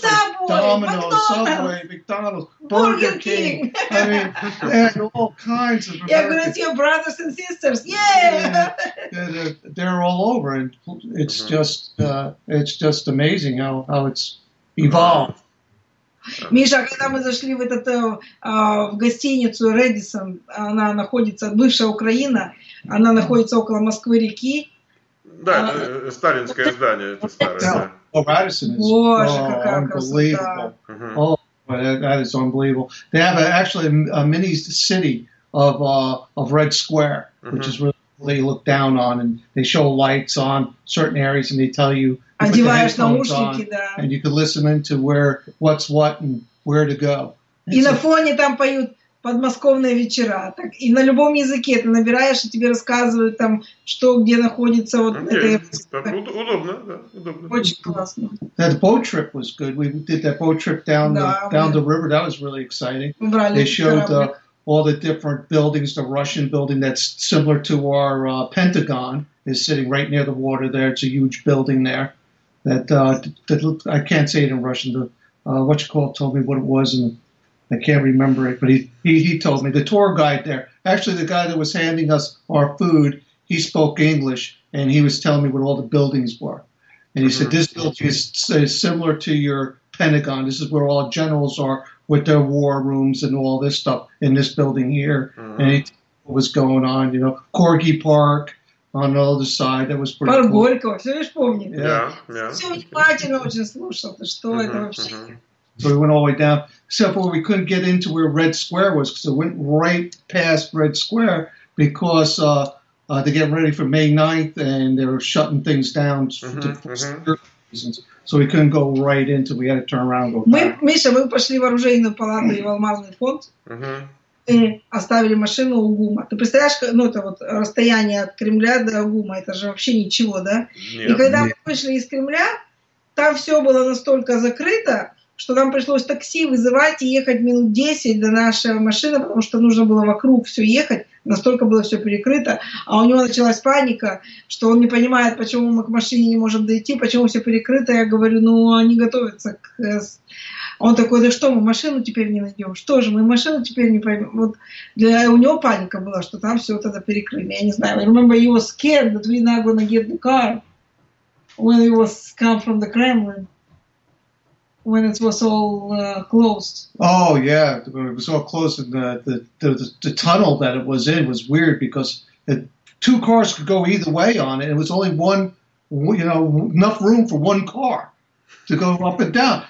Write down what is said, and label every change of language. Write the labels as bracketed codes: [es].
[en] Subway, McDonald's, Burger King. I mean, and all kinds of. Yeah, gonna see your brothers and sisters. Yeah. They're all over, and it's just amazing how it's evolved. [ru] Миша, когда мы зашли в этот в гостиницу Редисон, она находится, бывшая Украина, она находится около Москвы-реки. Да, это сталинское здание, это старое. О, Редисон, боже, какая красота. [en] That is unbelievable. They have actually a mini city of Red Square, which is really look down on, and they show lights on certain areas, and they tell you. [ru] Одеваешь наушники, да. [en] And you can listen into where, what's what, and where to go. [ru] И на фоне там поют подмосковные вечера. Так, и на любом языке ты набираешь, и тебе рассказывают там, что где находится. Вот okay. Это удобно, да, удобно. Очень классно. [en] That boat trip was good. We did that boat trip down, да, the, down the river. That was really exciting. They showed the, all the different buildings. The Russian building that's similar to our Pentagon is sitting right near the water there. It's a huge building there. That, that I can't say it in Russian. The what you call it told me what it was, and I can't remember it. But he told me the tour guide there. Actually, the guy that was handing us our food, he spoke English, and he was telling me what all the buildings were. And he said this building is similar to your Pentagon. This is where all generals are with their war rooms and all this stuff in this building here. Mm-hmm. And he told me what was going on, you know, Corgi Park. On the other side, that was pretty [ru] Парк [en] cool. [ru] Горького, все лишь помнит. [en] Yeah, yeah. [ru] Все внимательно очень слушал. Ты что mm-hmm, это вообще? [en] Mm-hmm. So we went all the way down. Except for we couldn't get into where Red Square was, because it went right past Red Square, because they're getting ready for May 9th, and they were shutting things down for reasons. So we couldn't go right into, we had to turn around and go back. [ru] Миша, мы пошли в оружейную палату и в алмазный фонд. И оставили машину у ГУМа. Ты представляешь, ну это вот расстояние от Кремля до ГУМа, это же вообще ничего, да? Нет, и когда нет. мы вышли из Кремля, там все было настолько закрыто, что нам пришлось такси вызывать и ехать минут 10 до нашей машины, потому что нужно было вокруг все ехать, настолько было все перекрыто. А у него началась паника, что он не понимает, почему мы к машине не можем дойти, почему все перекрыто. Я говорю, ну они готовятся к... Он такой, да что, мы машину теперь не найдем? Что же, мы машину теперь не поймем? Вот для, у него паника была, что там все тогда перекрыли. Я не знаю. [en] I remember he was scared that we're not going to get the car when it was come from the Kremlin, when it was all closed. Oh, yeah. It was all closed. And the tunnel that it was in was weird because it, two cars could go either way on it. It was only one, you know, enough room for one car. To go up and down.